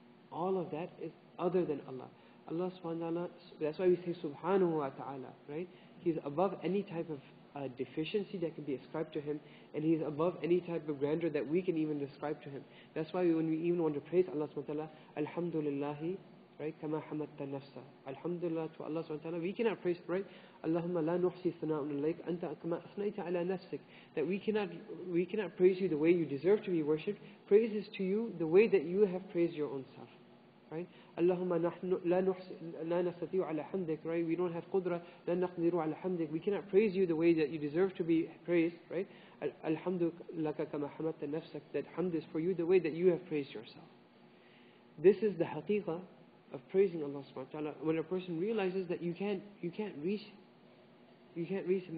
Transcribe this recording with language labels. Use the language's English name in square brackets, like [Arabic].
[English] All of that is other than Allah. Allah subhanahu wa ta'ala, that's why we say subhanahu wa ta'ala, right? He's above any type of deficiency that can be ascribed to him, and he's above any type of grandeur that we can even describe to him. That's why when we even want to praise Allah subhanahu wa ta'ala, alhamdulillahi, right? [Arabic] كَمَا حَمَدْتَ نَفْسَ [English] Alhamdulillah to Allah subhanahu wa ta'ala. We cannot praise, right? [Arabic] اللهم لا نحصي ثناء عليك أنت كما أثنيت على نفسك. [English] That we cannot praise you the way you deserve to be worshipped. Praises to you the way that you have praised your own self, right? [Arabic] اللهم لا نستطيع على حمدك, right? [English] We don't have [Arabic] قدرة لا نقدر على حمدك. [English] We cannot praise you the way that you deserve to be praised, right? [Arabic] الحمد لك كما حمدت نفسك. [English] That hamd is for you the way that you have praised yourself. This is the haqiqah of praising Allah subhanahu wa ta'ala, when a person realizes that you can't reach him.